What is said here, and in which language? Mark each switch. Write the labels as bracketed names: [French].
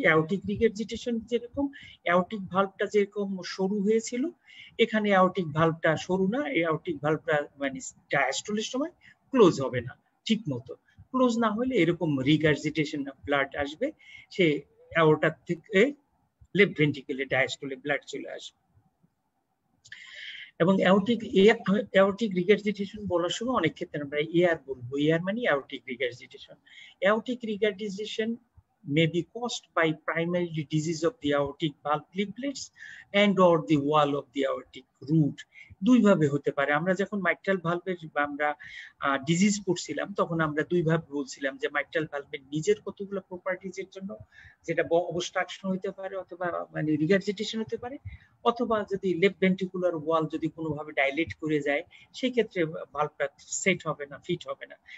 [Bangla] Aortic regurgitation যেরকম, aortic ভালভটা যেরকম সরু হয়েছিল, এখানে অ্যাওর্টিক ভালভটা সরু না, এই অ্যাওর্টিক ভালভটা মানে ডায়াস্টোলের সময় ক্লোজ হবে না ঠিক মতো, ক্লোজ না হলে এরকম রিগার্জিটেশন ব্লাড আসবে, সে অ্যাওর্টার থেকে লেফট ভেন্টিকেলে ডায়াস্টোলে ব্লাড চলে আসবে। এবং অ্যাওর্টিক অ্যাওর্টিক রিগার্জিটেশন বলার সময় অনেক ক্ষেত্রে আমরা এয়ার বলবো, এয়ার মানে aortic regurgitation. [English] Aortic regurgitation may be caused by primary disease of the aortic valve leaflets and or the wall of the aortic root. [Bangla] দুই ভাবে হতে পারে, আমরা যখন মাইট্রাল ভালভের আমরা ডিজিজ পড়ছিলাম তখন আমরা দুই ভাবে বলছিলাম যে মাইট্রাল ভালভের নিজের কতগুলো প্রপার্টিজ এর জন্য যেটা অবস্ট্রাকশন হতে পারে অথবা মানে রিগার্জিটেশন হতে পারে, অথবা যদি লেফট ভেন্টিকুলার ওয়াল যদি কোনোভাবে ডাইলেট করে যায় সেই ক্ষেত্রে ভালভটা সেট হবে না, ফিট হবে না।